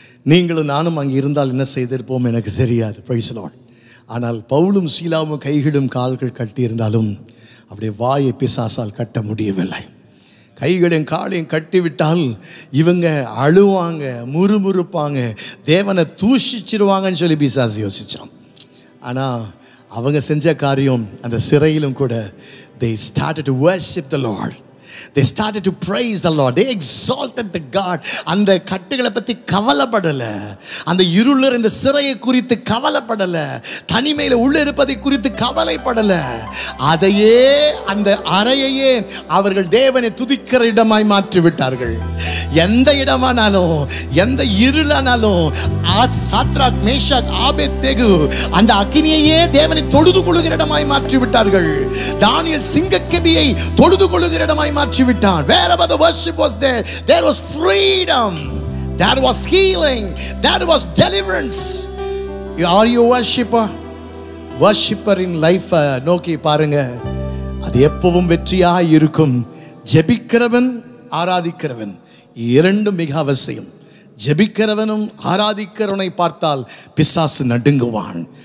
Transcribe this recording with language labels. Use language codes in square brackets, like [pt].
[ta] நீங்களும் நானும் அங்கே இருந்தால் என்ன செய்திருப்போம் எனக்கு தெரியாது. ப்ரைஸ் தி லார்ட். ஆனால் பவுலும் சீலாவும் கைகளும் கால்கள் கட்டியிருந்தாலும் அப்படியே வாயை பிசாசால் கட்ட முடியவில்லை. கைகளையும் காலையும் கட்டிவிட்டால் இவங்க அழுவாங்க, முறுமுறுப்பாங்க, தேவனை தூஷிச்சிருவாங்கன்னு சொல்லி பிசாசு யோசிச்சான். ஆனால் அவங்க செஞ்ச காரியம் அந்த சிறையிலும் கூட, [en] they started to worship the Lord, they started to praise the Lord, they exalted the God. [ta] அந்த கட்டுகளை பற்றி கவலைப்படலை, அந்த இருளர் இந்த சிறையை குறித்து கவலைப்படலை, தனிமையில் உள்ளே இருப்பதை குறித்து கவலைப்படலை. அதையே அந்த அறையையே அவர்கள் தேவனை துதிக்கிற இடமாய் மாற்றி விட்டார்கள். எந்த இடமானாலும், எந்த இருளானாலும், சாத்ராக் மேஷாக் ஆபேத்நேகு அந்த அக்னியையே தேவனை தொழுது கொள்ளுகிற இடமாய் மாற்றி விட்டார்கள். தானியேல் சிங்கக்கெபியை தொழுது கொள்ளுகிற இடமாய் மாற்றிவிட்டான். [en] Wherever the worship was there, there was freedom, there was healing, there was deliverance. Are you a worshipper? Worshipper in life [ta] நோக்கி பாருங்க, அது எப்பவும் வெற்றியாக இருக்கும். ஜெபிக்கிறவன் ஆராதிக்கிறவன் இரண்டும் மிக அவசியம். ஜெபிக்கிறவனும் ஆராதிக்கிறவனை பார்த்தால் பிசாசு நடுங்குவான்.